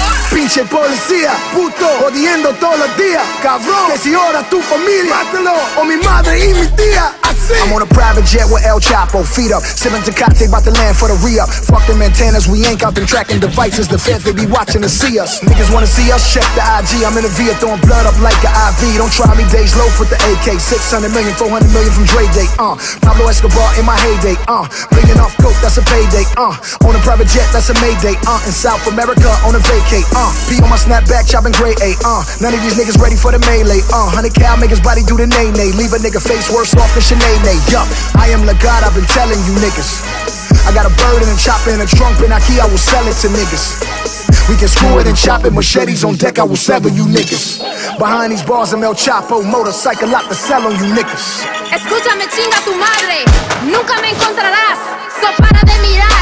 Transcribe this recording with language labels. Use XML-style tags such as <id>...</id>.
<es>Pinche policía, puto, jodiendo todos los días. Cabrón, que si ahora tu familia, mátalo, o mi madre y mi tía.</es> <en>I'm on a private jet with El Chapo, feet up. Sipping Tecate, about to land for the re-up. Fuck them antennas, we ain't got them tracking devices. The feds, they be watching to see us. Niggas wanna see us, check the IG. I'm in a via throwing blood up like an IV. Don't try me, days low for the AK. 600 million, 400 million from Dre Day, Pablo Escobar in my heyday, Bringing off coke, that's a payday, On a private jet, that's a mayday, In South America, on a vacay, Pee on my snapback, chopping gray A, None of these niggas ready for the melee, 100K, I'll make his body do the nay-nay. Leave a nigga face worse off than shit. Nay, nay, yup. I am the God, I've been telling you niggas. I got a bird and a chopper and a trunk and IKEA, I will sell it to niggas. We can screw it and chop it, machetes on deck, I will sever you niggas. Behind these bars, I'm El Chapo, motorcycle lot to sell on you niggas.</en> <es>Escúchame, chinga tu madre, nunca me encontrarás. So para de mi</es>